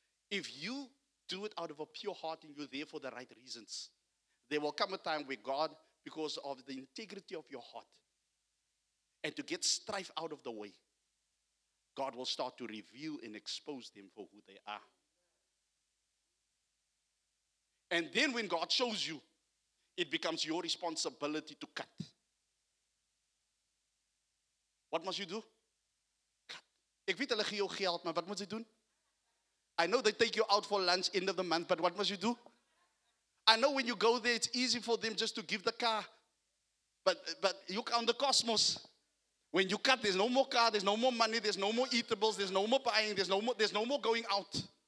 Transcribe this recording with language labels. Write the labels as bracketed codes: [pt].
[en] If you do it out of a pure heart and you're there for the right reasons, there will come a time where God, because of the integrity of your heart, and to get strife out of the way, God will start to reveal and expose them for who they are. And then when God shows you, it becomes your responsibility to cut. What must you do? [af] Ek weet hulle gee jou geld, maar wat moet jy doen? [en] I know they take you out for lunch end of the month, but what must you do? I know when you go there, it's easy for them just to give the car. But you count the cosmos. When you cut, there's no more car, there's no more money, there's no more eatables, there's no more buying, there's no more going out.